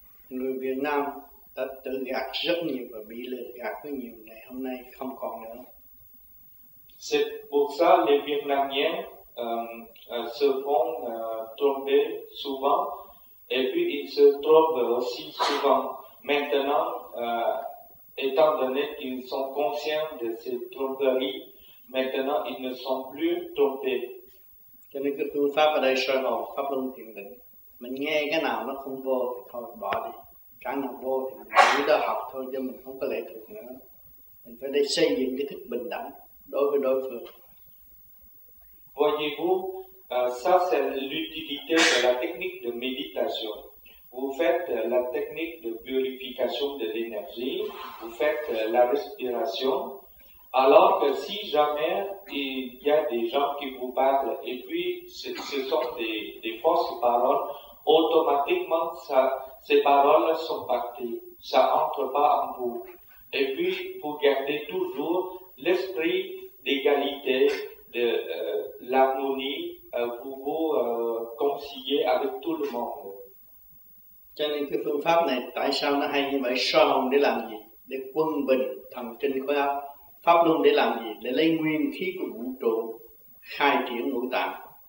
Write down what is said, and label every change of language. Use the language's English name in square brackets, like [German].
[Vietnamese] Người Việt Nam đã tự gạt rất nhiều và bị lừa gạt rất nhiều, ngày hôm nay không còn nữa. [French] C'est pour ça les Vietnamiens se font tromper souvent et puis ils se trompent aussi souvent. Maintenant, étant donné qu'ils sont conscients de ces tromperies, maintenant ils ne sont plus trompés. [Vietnamese] Cho nên cái phương pháp ở đây sơ hồ, pháp luân thiền định. Mình nghe cái nào nó không vô thì thôi bỏ đi. Cái nào vô thì mình chỉ đó học thôi chứ mình không có lệ thuộc nữa. Mình phải để xây dựng cái thức bình đẳng đối với đối phương. [French] Voyez-vous, ça c'est l'utilité de la technique de méditation. Vous faites la technique de purification de l'énergie, vous faites la respiration. Alors que si jamais il y a des gens qui vous parlent et puis ce sont des fausses paroles, automatiquement ça, ces paroles sont parties, ça entre pas en vous. Et puis vous gardez toujours l'esprit d'égalité, de l'harmonie, vous conciliez avec tout le monde. [Vietnamese] Cho nên cái phương pháp này tại sao nó hay như vậy? Sơ hồn để làm gì? Để quân bình thần kinh khối óc. Pháp luân để làm gì? Để lấy nguyên khí của vũ trụ khai triển ngũ tạng.